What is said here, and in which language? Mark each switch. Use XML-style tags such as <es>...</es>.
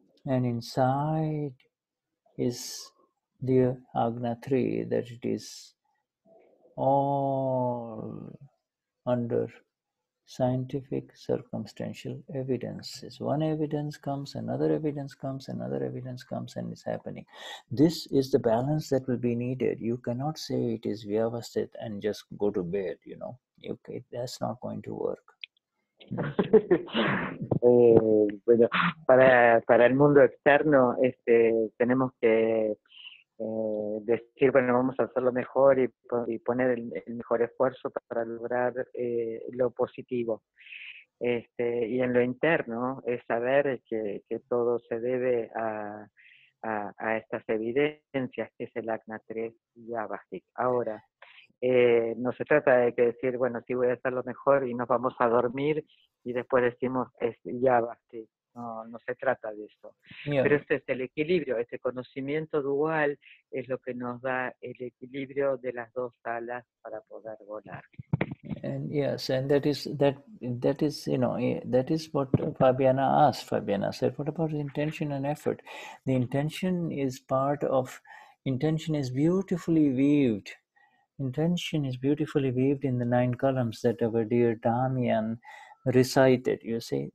<en>And inside is the Agna 3, that it is all under scientific circumstantial evidences. One evidence comes, another evidence comes, another evidence comes, and it's happening. This is the balance that will be needed. You cannot say it is Vyavasthit and just go to bed, you know. Okay, that's not going to work.</en> <es>Bueno, para el mundo externo, tenemos que decir, bueno, vamos a hacer lo mejor y poner el mejor esfuerzo para lograr lo positivo. Y en lo interno es saber que todo se debe a estas evidencias, que es el Agna 3 y Vyavasthit. Ahora, no se trata de que decir, bueno, sí voy a hacer lo mejor y nos vamos a dormir y después decimos, es Vyavasthit. No se trata de eso. Yeah. Pero este es el equilibrio, este conocimiento dual es lo que nos da el equilibrio de las dos alas para poder volar.</es> <en>And yes, and that is, you know, that is what Fabiana asked. Fabiana said, what about intention and effort? The intention is part of, intention is beautifully weaved. Intention is beautifully weaved in the nine columns that our dear Damian recited, you see.</en>